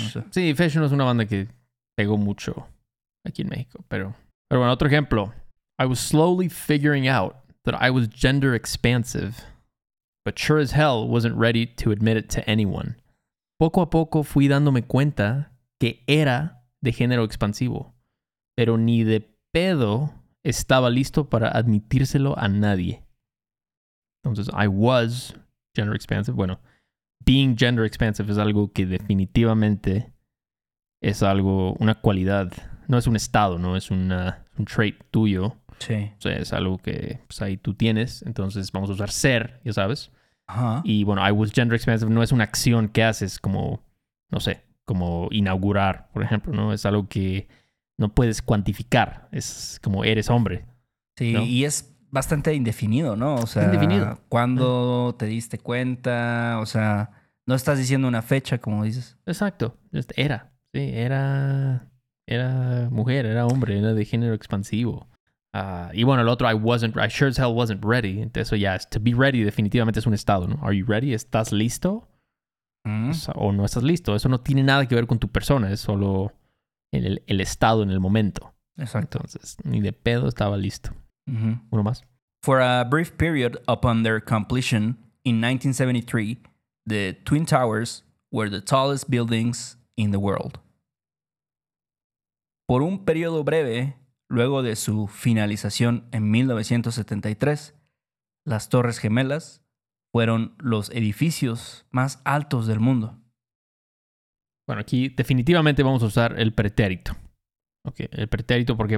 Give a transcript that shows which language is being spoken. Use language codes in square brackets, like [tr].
[es] Sí, Fish no es una banda que pegó mucho aquí en México, pero bueno, otro ejemplo. [en] I was slowly figuring out that I was gender expansive, but sure as hell wasn't ready to admit it to anyone. [es] Poco a poco fui dándome cuenta que era de género expansivo, pero ni de pedo estaba listo para admitírselo a nadie. Entonces, [en] I was gender expansive, [es] bueno... [en] Being gender expansive [es] es algo que definitivamente es algo, una cualidad. No es un estado, ¿no? Es un trait tuyo. Sí. O sea, es algo que pues, ahí tú tienes. Entonces, vamos a usar ser, ya sabes. Ajá. Y bueno, [en] I was gender expansive [es] no es una acción que haces como, no sé, como inaugurar, por ejemplo, ¿no? Es algo que no puedes cuantificar. Es como eres hombre. Sí, ¿no? Y es... Bastante indefinido, ¿no? O sea, indefinido. ¿Cuándo te diste cuenta? O sea, no estás diciendo una fecha, como dices. Exacto. Era. Sí, era mujer, era hombre, era de género expansivo. Y bueno, el otro, [en] I sure as hell wasn't ready. [es] Eso ya, [en] to be ready [es] definitivamente es un estado, ¿no? [en] Are you ready? [es] ¿Estás listo? O no estás listo. Eso no tiene nada que ver con tu persona. Es solo el estado en el momento. Exacto. Entonces, ni de pedo estaba listo. Uno más. [en] For a brief period upon their completion in 1973, the Twin Towers were the tallest buildings in the world. [es] Por un periodo breve, luego de su finalización en 1973, las Torres Gemelas fueron los edificios más altos del mundo. Bueno, aquí definitivamente vamos a usar el pretérito. Ok, el pretérito, ¿por qué?